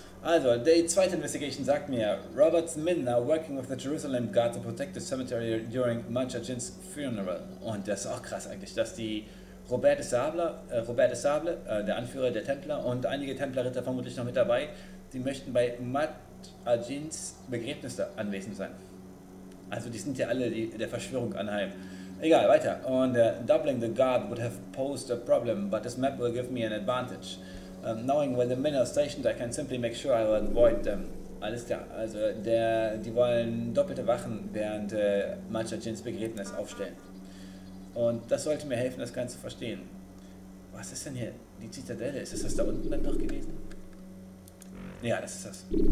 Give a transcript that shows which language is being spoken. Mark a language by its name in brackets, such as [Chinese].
[German] Also, die zweite Investigation sagt mir, [English] Robert's men are working with the Jerusalem Guard to protect the cemetery during Majajin's funeral. [German] Und das ist auch krass eigentlich, dass die Robert de Sable, der Anführer der Templer und einige Templerritter vermutlich noch mit dabei, die möchten bei Majajin's Begräbnis anwesend sein. Also die sind ja alle der Verschwörung anheim. Egal, weiter. [English] Und doubling the guard would have posed a problem, but this map will give me an advantage. Knowing where the men are stationed, I can simply make sure I will avoid them. [German] Alles klar, also die wollen doppelte Wachen während Majajins Begräbnis aufstellen. Und das sollte mir helfen, das Ganze zu verstehen. Was ist denn hier? Die Zitadelle? Ist das da unten dann noch gewesen? Ja, das ist das.